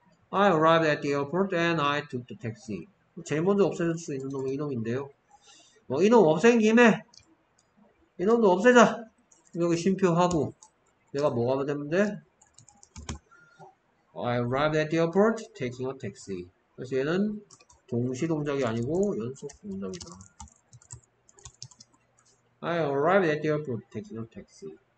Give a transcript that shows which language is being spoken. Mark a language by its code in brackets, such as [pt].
[en] I arrived at the airport and I took the taxi. [ko] 제일 먼저 없앨 수 있는 놈이 이놈인데요. 뭐 이놈 없앤 김에 이놈도 없애자. 여기 심표하고 내가 뭐 하면 되는데? [en] I arrived at the airport taking a taxi. [ko] 그래서 얘는 동시 동작이 아니고 연속 동작이다. [en] I arrived at the airport taking a taxi.